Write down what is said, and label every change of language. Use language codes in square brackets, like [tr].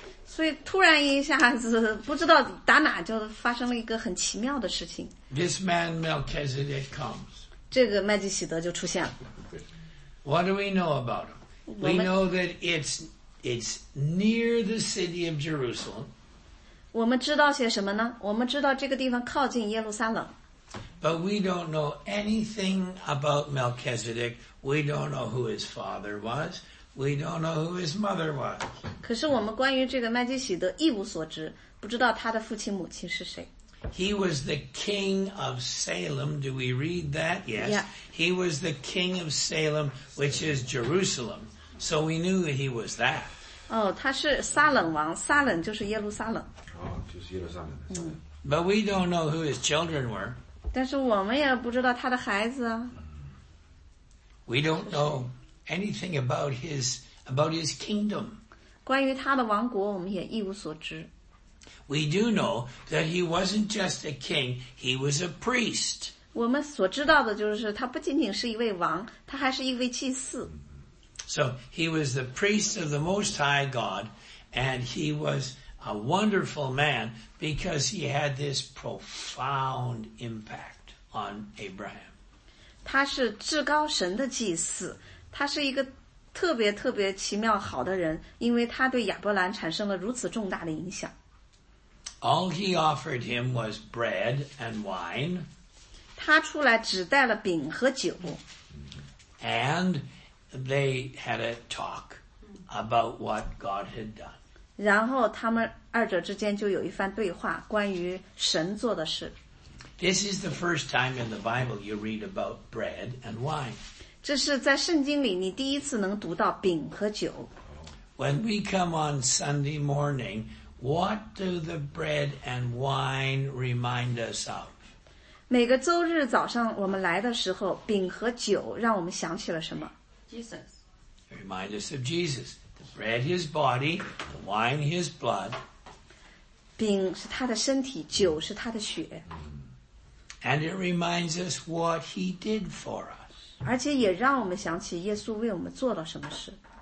[zh] 所以突然一下子不知道打哪就发生了一个很奇妙的事情。 [en] This man Melchizedek comes. [zh] 这个麦基洗德就出现了。 [en] What do we know about him? We know that it's near the city of Jerusalem. [zh] 我们知道些什么呢？我们知道这个地方靠近耶路撒冷。 [en] But we don't know anything about Melchizedek. We don't know who his father was. We don't know who his mother was. [zh] 可是我们关于这个麦基洗德一无所知，不知道他的父亲母亲是谁。 [en] He was the king of Salem. Do we read that? Yes. Yeah. He was the king of Salem, which is Jerusalem. So we knew that he was that. [zh] Oh, 他是撒冷王，撒冷就是耶路撒冷。哦，就是耶路撒冷。 [en] But we don't know who his children were. [zh] 但是我们也不知道他的孩子啊。 [en] We don't know anything about his kingdom. [zh] 关于他的王国，我们也一无所知。 [en] We do know that he wasn't just a king, he was a priest. [zh] 我们所知道的就是他不仅仅是一位王，他还是一位祭司。 [en] So he was the priest of the Most High God, and he was a wonderful man because he had this profound impact on Abraham. [zh] 他是至高神的祭司，他是一个特别特别奇妙好的人，因为他对亚伯兰产生了如此重大的影响。 [en] All he offered him was bread and wine. [zh] 他出来只带了饼和酒。 [en] And they had a talk about what God had done. [zh] 然后他们二者之间就有一番对话，关于神做的事。 [en] This is the first time in the Bible you read about bread and wine. [zh] 这是在圣经里你第一次能读到饼和酒。 [en] When we come on Sunday morning,What do the bread and wine remind us of? [zh] 每个周日早上我们来的时候，饼和酒让我们想起了什么？ [en] Jesus. Remind us of Jesus. The bread, his body, the wine, his blood. [zh] 饼是他的身体，酒是他的血。 [en] And it reminds us what he did for us. [zh] 而且也让我们想起耶稣为我们做了什么事。